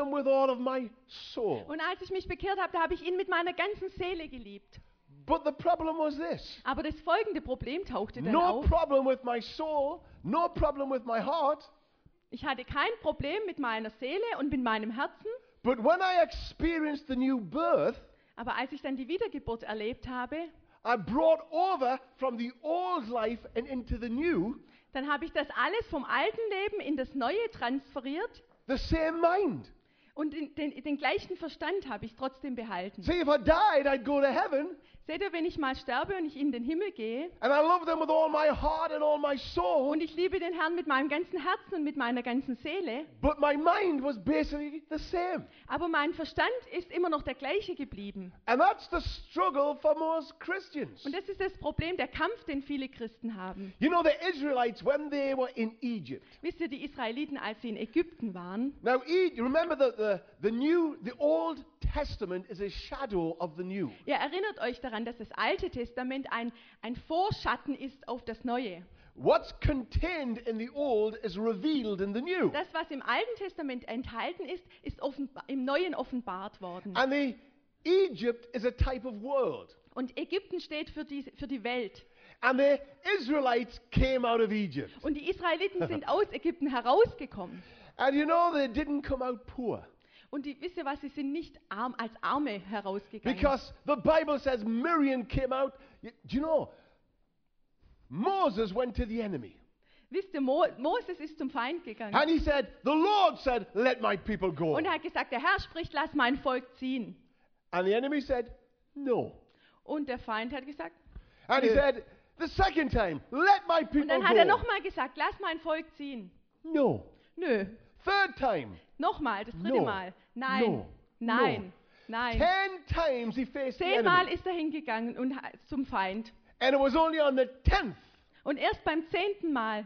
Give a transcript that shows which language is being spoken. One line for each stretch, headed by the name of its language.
German: Und als ich mich bekehrt habe, da habe ich ihn mit meiner ganzen Seele geliebt.
English: But the problem was this.
German: Aber das folgende Problem tauchte dann no auf.
English: Problem with my soul, no problem with my heart.
German: Ich hatte kein Problem mit meiner Seele und mit meinem Herzen.
English: But when I experienced the new birth,
German: aber als ich dann die Wiedergeburt erlebt habe,
English: I brought over from the old life and into the new.
German: Dann habe ich das alles vom alten Leben in das neue transferiert.
English: The same mind.
German: Und den gleichen Verstand habe ich trotzdem behalten.
English: See, if I died, I'd go to heaven.
German: Seht ihr, wenn ich mal sterbe und ich in den Himmel gehe.
English: And I love them with all my heart and all my soul.
German: Und ich liebe den Herrn mit meinem ganzen Herzen und mit meiner ganzen Seele.
English: But my mind was basically the same.
German: Aber mein Verstand ist immer noch der gleiche geblieben.
English: And that's the struggle for most Christians.
German: Und das ist das Problem, der Kampf, den viele Christen haben.
English: You know, the Israelites, when they were in Egypt.
German: Wisst ihr, die Israeliten, als sie in Ägypten waren.
English: Now, remember the old Testament is a shadow of the new.
German: Ja, erinnert euch daran, dass das Alte Testament ein Vorschatten ist auf das Neue.
English: What's contained in the old is revealed in the new.
German: Das, was im Alten Testament enthalten ist, ist im Neuen offenbart worden.
English: And the Egypt is a type of world.
German: Und Ägypten steht für die Welt.
English: And the Israelites came out of Egypt.
German: Und die Israeliten sind aus Ägypten herausgekommen.
English: And you know, they didn't come out poor.
German: Und wisst ihr was, sie sind nicht arm als Arme herausgegangen.
English: Because the Bible says Miriam came out. Do you know? Moses went to the enemy.
German: Wisst ihr, Moses ist zum Feind gegangen.
English: And he said, the Lord said, let my people go.
German: Und er hat gesagt, der Herr spricht, lass mein Volk ziehen.
English: And the enemy said, no.
German: Und der Feind hat gesagt,
English: and he said, the second time, let my people go.
German: Und dann hat er nochmal gesagt, lass mein Volk ziehen.
English: No.
German: Nö.
English: Third time.
German: Nochmal, das dritte Mal. Nein.
English: No.
German: Nein. No. Nein.
English: 10 times he faced the enemy.
German: Zehnmal ist er hingegangen und zum Feind.
English: And it was only on the 10th.
German: Und erst beim 10. Mal.